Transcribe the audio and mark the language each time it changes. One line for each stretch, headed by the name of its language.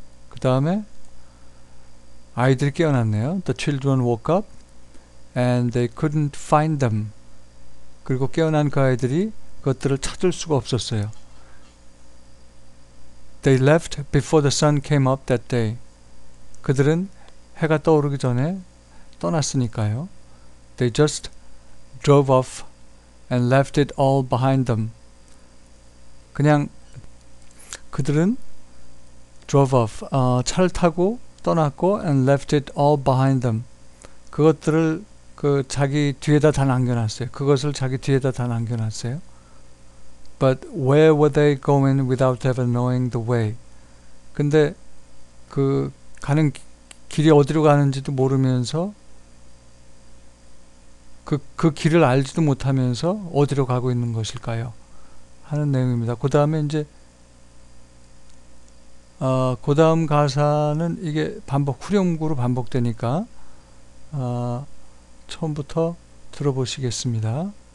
Korean: 그 다음에 아이들이 깨어났네요.
English: The children woke up and they couldn't find them.
Korean: 그리고 깨어난 그 아이들이 그것들을 찾을 수가 없었어요.
English: They left before the sun came up that day.
Korean: 그들은 해가 떠오르기 전에 떠났으니까요.
English: They just drove off and left it all behind them.
Korean: 그냥 그들은
English: drove off.
Korean: 차를 타고 떠났고
English: and left it all behind them.
Korean: 그것들을 그 자기 뒤에다 다 남겨놨어요. 그것을 자기 뒤에다 다 남겨놨어요.
English: But where were they going without ever knowing the way?
Korean: 근데 그 가는 길이 어디로 가는지도 모르면서 그 길을 알지도 못하면서 어디로 가고 있는 것일까요? 하는 내용입니다. 그 다음에 이제 그 다음 가사는 이게 반복, 후렴구로 반복되니까, 처음부터 들어보시겠습니다.